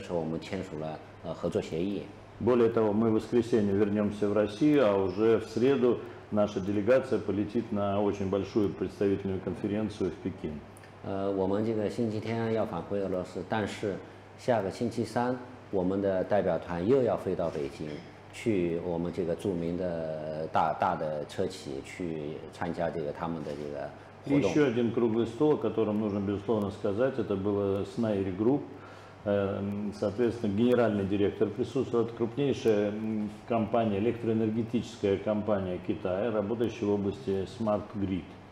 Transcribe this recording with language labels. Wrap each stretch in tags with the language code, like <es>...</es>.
<zh>在展会的第一天，我们跟这个工程汽车工程领域一个企业的副领导、副总经理认识之后，第二天总经理就飞过来了。然后在这个展会昨天结束的时候，我们签署了合作协议。</zh> <ru>Более того, мы в воскресенье вернемся в Россию, а уже в среду наша делегация полетит на очень большую представительную конференцию в Пекин.</ru> <zh>我们这个星期天要返回俄罗斯，但是下个星期三，我们的代表团又要飞到北京。去我们这个著名的大的车企去参加这个他们的这个活动。</zh> <ru>Еще один круглый стол, о котором нужно безусловно сказать, это было Snair Group. Соответственно, генеральный директор присутствовал. Это крупнейшая компания, электроэнергетическая компания Китая, работающая в области Smart Grid.</ru>